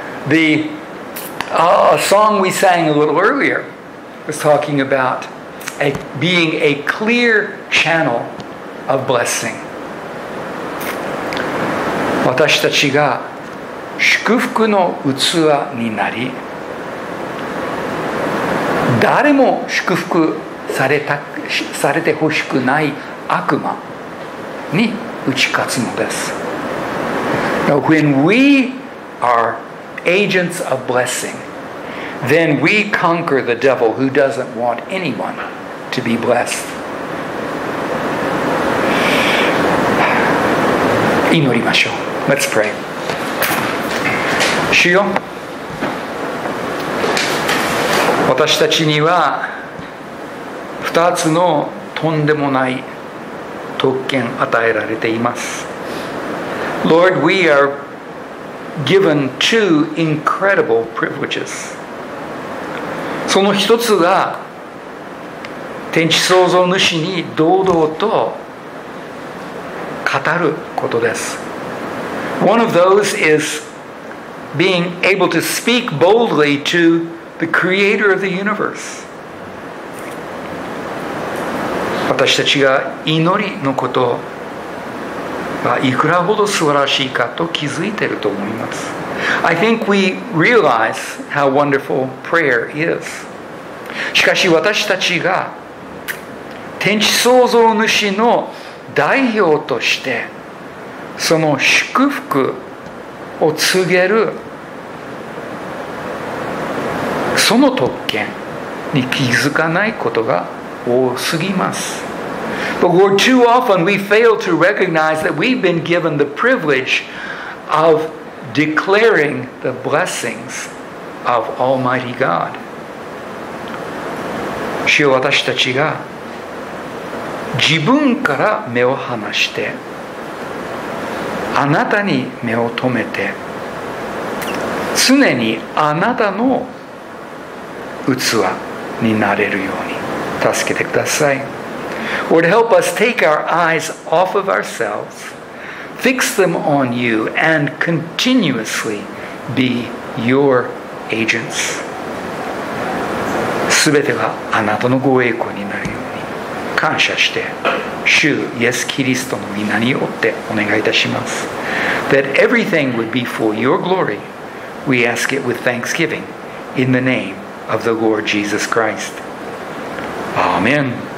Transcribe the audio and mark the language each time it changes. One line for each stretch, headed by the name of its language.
English: The song we sang a little earlier was talking about being a clear channel of blessing.
Japanese: 私たちが祝福の器になり、誰も祝福されてほしくない悪魔に打ち勝つのです。
English: Now, when we are agents of blessing, then we conquer the devil who doesn't want anyone to be blessed.
Japanese: 祈りましょう。
English: Let's pray.
Japanese: 主よ、私たちには二つのとんでもない特権与えられています。
English: Lord, we are given two incredible privileges.
Japanese: その一つが天地創造主に堂々と語ることです。
English: One of those is being able to speak boldly to the creator of the universe.
Japanese: 私たちが祈りのことはいくらほど素晴らしいかと気づいていると思います。
English: I think we realize how wonderful prayer is.
Japanese: しかし私たちが天地創造主の代表としてその祝福を告げるその特権に気づかないことが多すぎます。
English: But Lord, too often we fail to recognize that we've been given the privilege of declaring the blessings of Almighty God.
Japanese: 主よ、私たちが自分から目を離して、あなたに目を留めて、常にあなたの器になれるように助けてください。
English: Lord, help us take our eyes off of ourselves, fix them on you, and continuously be your agents.
Japanese: すべてがあなたのご栄光になるように感謝して、主イエスキリストの名によってお願いいたします。
English: That everything would be for your glory, we ask it with thanksgiving in the name of the Lord Jesus Christ. Amen.